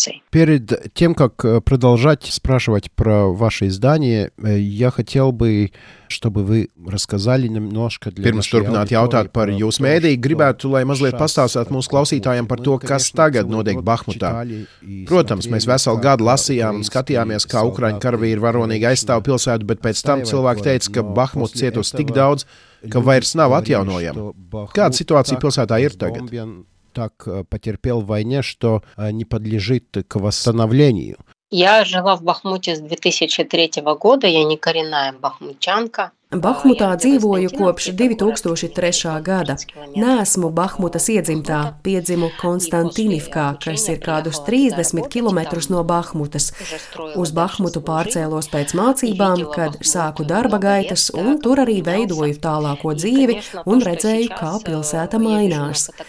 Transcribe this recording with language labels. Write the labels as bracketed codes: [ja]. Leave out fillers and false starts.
[ru] Перед тем, как продолжать спрашивать про ваше издание, я хотел бы, чтобы вы рассказали немножко для [lv] Pirms turpināt jautāt par jūsu mēdīju, gribētu, lai mazliet pastāstāt mūsu klausītājiem par to, kas tagad notiek Bahmutā. Protams, mēs veselu gadu lasījām, skatījāmies, kā Ukraiņu karavīri varonīgi aizstāv pilsētu, bet pēc tam cilvēki teica, ka Bahmut cietos tik daudz, ka vairs nav atjaunojama. Kāda situācija pilsētā ir tagad? [ru] Так потерпел в войне, что не подлежит к восстановлению. Я жила в Бахмуте с 2003 года, я не коренная бахмутчанка. [lv] Bahmutā dzīvoju kopš 2003. Gada. Neesmu Bahmutas iedzimtā, piedzimu Konstantinivkā, kas ir kādus 30 kilometrus no Bahmutas. Uz Bahmutu pārcēlos pēc mācībām, kad sāku darba gaitas un tur arī veidoju tālāko dzīvi un redzēju, kā pilsēta mainās.